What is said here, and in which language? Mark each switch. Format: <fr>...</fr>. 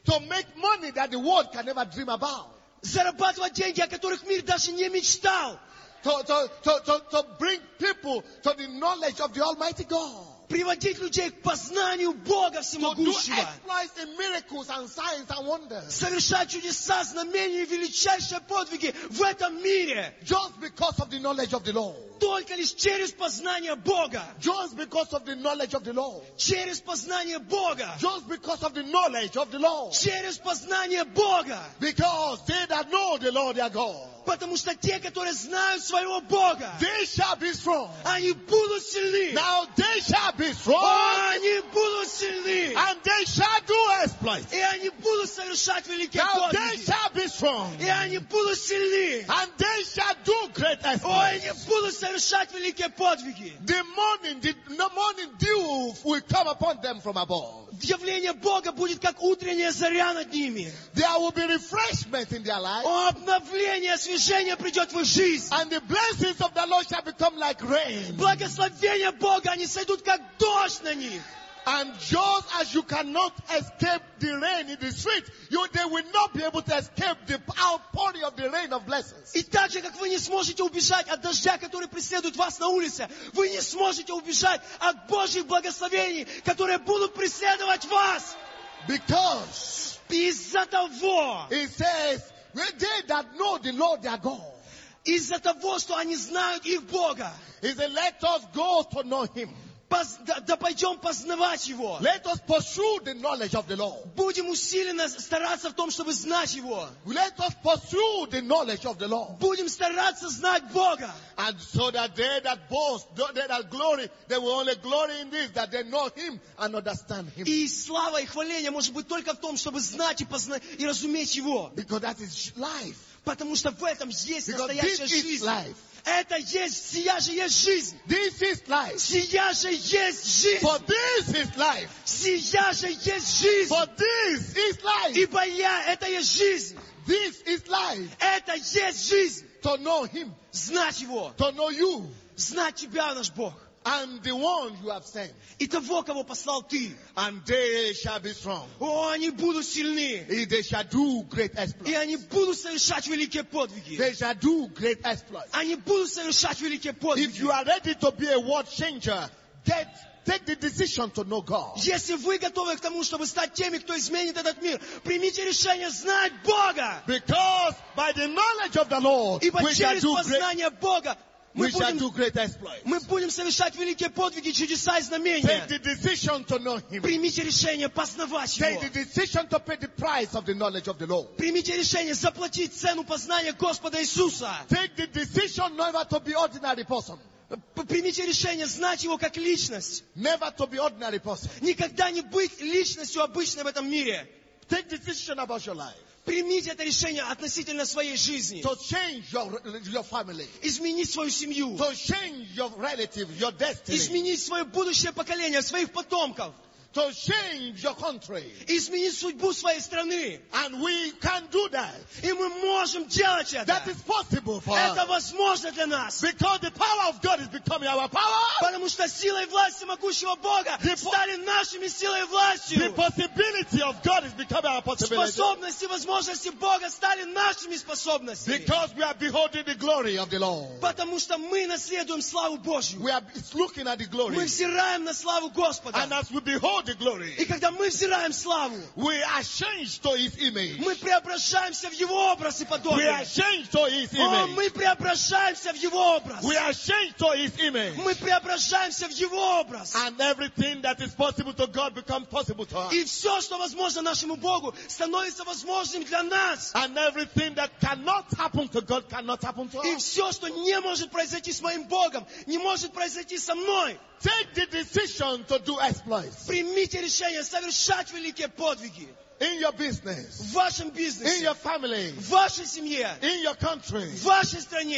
<en>To make money that the world can never dream about.</en> <ru>Зарабатывать деньги, о которых мир даже не мечтал.</ru> <en>To bring people to the knowledge of the Almighty God.</en> <ru>Приводить людей к познанию Бога всемогущего.</ru> <en>To do exploits in miracles and signs and wonders.</en> <ru>Совершать чудеса, знамения и величайшие подвиги в этом мире.</ru> <en>Just because of the knowledge of the Lord.</en> <ru>Только лишь через познание Бога.</ru> <en>Just because of the knowledge of the Lord.</en> <ru>Через познание Бога.</ru> <en>Just because of the knowledge of the Lord.</en> <ru>Через познание Бога.</ru> <en>Because they that know the Lord their God.</en> <ru>Потому что те, которые знают своего Бога,</ru> <en>they shall be strong.</en> <ru>Они будут сильны.</ru> <en>Now they shall be strong.</en> <ru>Они будут сильны.</ru> <en>And they shall do exploits.</en> <ru>И они будут совершать великие</ru> <en>Now</en> <ru>подвиги.</ru> <en>They shall be strong.</en> <ru>И они будут сильны.</ru> <en>And they shall do great exploits.</en> <ru>О, они будут совершать великие подвиги.</ru> <en>The morning dew will come upon them from above.</en> <ru>Явление Бога будет как утренняя заря над ними.</ru> <en>There will be refreshment in their life.</en> <ru>О, обновление, освежение придет в их жизнь.</ru> <en>And the blessings of the Lord shall become like rain.</en> <ru>Благословения Бога, они сойдут как дождь на них.</ru> <en>And just as you cannot escape the rain in the street, they will not be able to escape the outpouring of the rain of blessings.</en> <ru>И так же, как вы не сможете убежать от дождя, который преследует вас на улице, вы не сможете убежать от Божьих благословений, которые будут преследовать вас.</ru> <en>Because</en> <ru>из-за того,</ru> <en>he says, they that know the Lord their God.</en> <ru>Из-за того, что они знают их Бога.</ru> <en>He said, let us go to know him.</en> <ru>Да пойдем познавать его.</ru> <en>Let us pursue the knowledge of the Lord.</en> <ru>Будем усиленно стараться в том, чтобы знать его.</ru> <en>Let us pursue the knowledge of the Lord.</en> <ru>Будем стараться знать Бога.</ru> <en>And so that they that boast, they that glory, they will only glory in this, that they know him and understand him.</en> <ru>И слава и хваление может быть только в том, чтобы знать и познать и разуметь его.</ru> <en>Because that is life.</en> <ru>Потому что в этом есть настоящая жизнь.</ru> <en>This is life.</en> <ru>Это есть, сия же есть жизнь.</ru> <en>This is life.</en> <ru>Сия же есть жизнь.</ru> <en>For this is life.</en> <ru>Сия же есть жизнь.</ru> <en>For this is life.</en> <ru>Ибо я, это есть жизнь.</ru> <en>This is life.</en> <ru>Это есть жизнь.</ru> <en>To know him.</en> <ru>Знать его.</ru> <en>To know you.</en> <ru>Знать тебя, наш Бог.</ru> <en>And the one you have sent.</en> <ru>И того, кого послал ты.</ru> <en>And they shall be strong.</en> <ru>О, они будут сильны.</ru> <en>And they shall do great exploits.</en> <ru>И они будут совершать великие подвиги.</ru> <en>They shall do great exploits.</en> <ru>Они будут совершать великие подвиги.</ru> <en>If you are ready to be a world changer, take the decision to know God.</en> <ru>Если вы готовы к тому, чтобы стать теми, кто изменит этот мир, примите решение знать Бога.</ru> <en>Because by the knowledge of the Lord,</en> <ru>ибо</ru> <en>we shall do great</en> <ru>Бога.</ru> <en>We shall do great exploits.</en> <ru>Мы будем совершать великие подвиги, чудеса и знамения.</ru> <en>Take the decision to know him.</en> <ru>Примите решение познавать его.</ru> <en>Take the decision to pay the price of the knowledge of the Lord.</en> <ru>Примите решение заплатить цену познания Господа Иисуса.</ru> <en>Take the decision never to be ordinary person.</en> <ru>Примите решение знать его как личность.</ru> <en>Never to be ordinary person.</en> <ru>Никогда не быть личностью обычной в этом мире.</ru> <en>Take the decision about your life.</en> <ru>Примите это решение относительно своей жизни.</ru> <en>To change your family.</en> <ru>Изменить свою семью.</ru> <en>To change your relative, your destiny.</en> <ru>Изменить свое будущее поколение, своих потомков.</ru> <en>To change your country.</en> <ru>Изменить судьбу своей страны.</ru> <en>And we can do that.</en> <ru>И мы можем делать это.</ru> <en>That is possible for us.</en> <ru>Это возможно для нас.</ru> <en>Because the power of God is becoming our power.</en> <ru>Потому что сила и власть могущего Бога стали нашими силой и властью.</ru> <en>The possibility of God is becoming our possibility.</en> <ru>Способности и возможности Бога стали нашими способностями.</ru> <en>Because we are beholding the glory of the Lord.</en> <ru>Потому что мы наследуем славу Божью.</ru> <en>We are looking at the glory.</en> <ru>Мы взираем на славу Господа.</ru> <en>And as we behold the glory.</en> <ru>И когда мы взираем славу,</ru> <en>we are changed to his image.</en> <ru>Мы преображаемся в его образ и подобие.</ru> <en>We are changed to his image.</en> <ru>О, мы преображаемся в его образ.</ru> <en>We are changed to his image.</en> <ru>Мы преображаемся в его образ.</ru> <en>And everything that is possible to God becomes possible to us.</en> <ru>И все, что возможно нашему Богу, становится возможным для нас.</ru> <en>And everything that cannot happen to God cannot happen to us.</en> <ru>И все, что не может произойти с моим Богом, не может произойти со мной.</ru> <en>Take the decision to do exploits.</en> <ru>Примите решение совершать великие подвиги.</ru> <en>In your business.</en> <ru>В вашем бизнесе.</ru> <en>In your family.</en> <ru>В вашей семье.</ru> <en>In your country.</en> <ru>В вашей стране.</ru>